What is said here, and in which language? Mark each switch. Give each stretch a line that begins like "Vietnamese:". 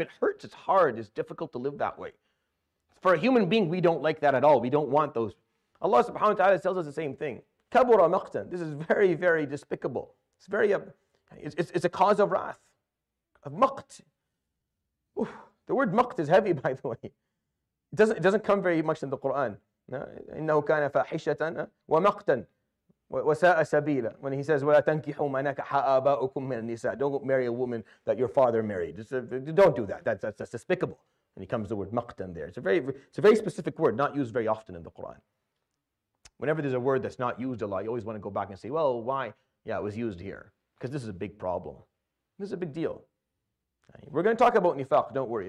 English: It hurts, it's hard, it's difficult to live that way. For a human being, we don't like that at all. We don't want those. Allah subhanahu wa ta'ala tells us the same thing.
Arabic: كَبُرَ مَقْتًا.
English: This is very, very despicable. It's very it's a cause of wrath, of maqt. Oof, the word maqt is heavy, by the way. It doesn't come very much in the Quran.
Arabic: إِنَّهُ كَانَ فَاحِشَةً وَمَقْتًا وَسَاءَ سَبِيلًا.
English: When he says,
Arabic: وَلَا تَنْكِحُوا مَا نَكَحَ آبَاؤُكُمْ مِنَ النِّسَاءِ.
English: Don't marry a woman that your father married. Don't do that. That's despicable. And he comes the word maqtan there. It's a very specific word, not used very often in the Quran. Whenever there's a word that's not used a lot, you always want to go back and say, well, why? Yeah, it was used here. Because this is a big problem. This is a big deal. We're going to talk about nifaq, don't worry.